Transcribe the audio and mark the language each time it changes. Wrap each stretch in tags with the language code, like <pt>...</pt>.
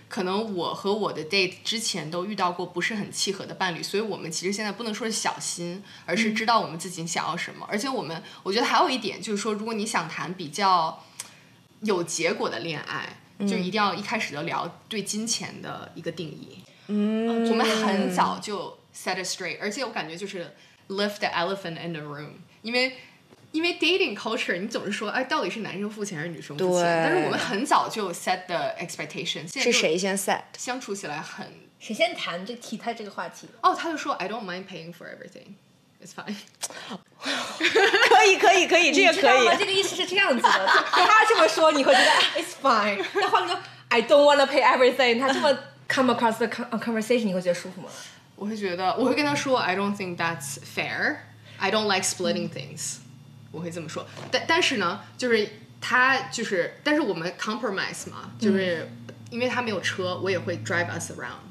<zh>可能我和我的 date 之前都遇到过不是很契合的伴侣，所以我们其实现在不能说是小心，而是知道我们自己想要什么。嗯、而且我觉得还有一点就是说，如果你想谈比较有结果的恋爱，就一定要一开始就聊对金钱的一个定义。嗯，我们很早就</zh> <en>set it straight，</en> <zh>而且我感觉就是</zh> <en>lift the elephant in the room，</en> <zh>因为因为 dating culture 你总是说哎，到底是男生付钱还是女生付钱，但是我们很早就</zh> <en>set the expectation，</en> <zh>是谁先 set，相处起来很谁先谈就提他这个话题，</zh> <en>哦，</en> <zh>他就说</zh> <en>I don't mind paying for everything it's fine</en> <zh>可以可以可以，这个可以，这个意思是这样子的，他这么说你会觉得</zh> <en>it's fine，</en> <zh>那换个</zh> <en>I don't wanna pay everything，</en> <zh>他这么</zh> <en>come across the conversation</en> <zh>你会觉得舒服吗？我会觉得我会跟他说</zh> <en>I don't think that's fair I don't like splitting things、</en> <zh>嗯，我会这么说，但是呢，就是他就是，但是我们 compromise 嘛，就是因为他没有车，我也会</zh> <en>drive us around，</en>